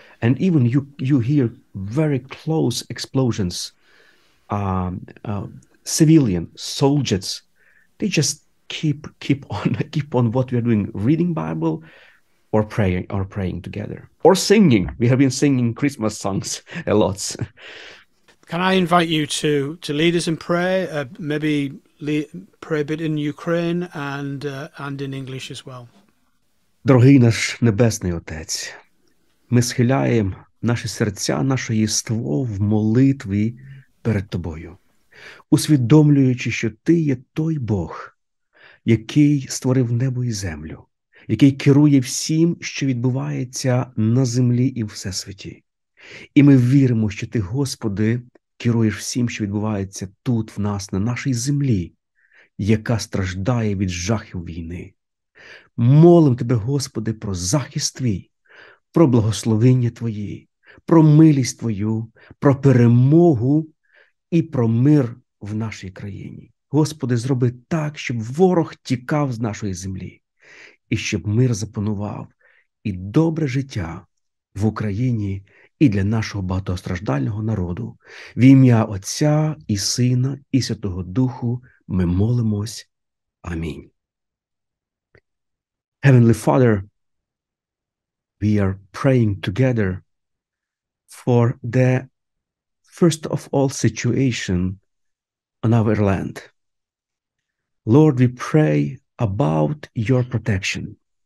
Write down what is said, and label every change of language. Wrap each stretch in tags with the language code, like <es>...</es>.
<en>And even you hear very close explosions, civilian soldiers, they just keep on what we are doing, reading Bible or praying together or singing. We have been singing Christmas songs a lot. Can I invite you to lead us in prayer, maybe pray a bit in Ukraine and in English as well?</en> <uk>Дорогий наш Небесний Отець, ми схиляємо наші серця, наше єство в молитві перед Тобою, усвідомлюючи, що Ти є той Бог, який створив небо і землю, який керує всім, що відбувається на землі і в Всесвіті. І ми віримо, що Ти, Господи, керуєш всім, що відбувається тут, в нас, на нашій землі, яка страждає від жахів війни. Молим Тебе, Господи, про захист Твій, про благословення Твої, про милість Твою, про перемогу і про мир в нашій країні. Господи, зроби так, щоб ворог тікав з нашої землі і щоб мир запанував і добре життя в Україні і для нашого багатостраждального народу. В ім'я Отця і Сина і Святого Духу ми молимось. Амінь.</uk> <en>Heavenly Father, we are praying together for the first of all situation on our land. Lord, we pray about your protection.</en>